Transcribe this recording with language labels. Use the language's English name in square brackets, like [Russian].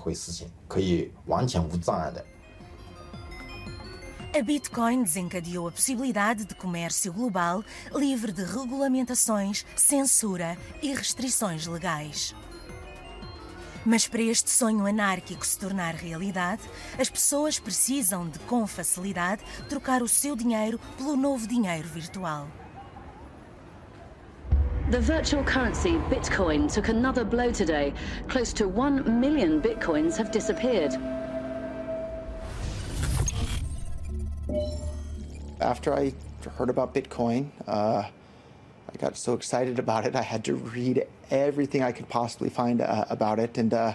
[Chinese] Nesse时候是信息超过，因为互联网的存在跨越了国界，是因为就因为有比特币的存在，让支付、让价值交换这回事情可以完全无障碍的。 [Portuguese] A Bitcoin desencadeou a possibilidade de comércio global, livre de regulamentações, censura e restrições legais. Mas para este sonho anárquico se tornar realidade, as pessoas precisam de, com facilidade, trocar o seu dinheiro pelo novo dinheiro virtual. [English] The virtual currency Bitcoin took another blow today. Close to 1 million Bitcoins have disappeared. After I heard about Bitcoin, I got so excited about it, I had to read everything I could possibly find about it. And